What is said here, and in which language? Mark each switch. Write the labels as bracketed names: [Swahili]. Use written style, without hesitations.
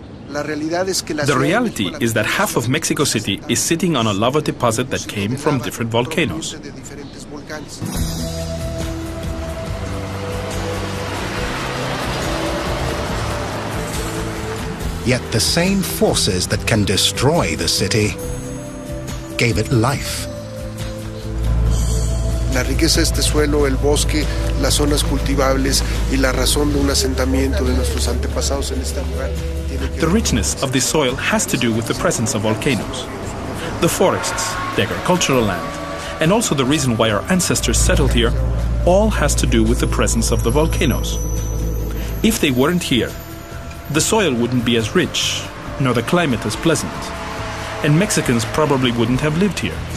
[English] The reality is that half of Mexico City is sitting on a lava deposit that came from different volcanoes. Yet the same forces that can destroy the city gave it life. [Spanish] La riqueza de este suelo, el bosque, las zonas cultivables y la razón de un asentamiento de nuestros antepasados en este lugar. [English] The richness of the soil has to do with the presence of volcanoes. The forests, the agricultural land, and also the reason why our ancestors settled here, all has to do with the presence of the volcanoes. If they weren't here, the soil wouldn't be as rich, nor the climate as pleasant, and Mexicans probably wouldn't have lived here.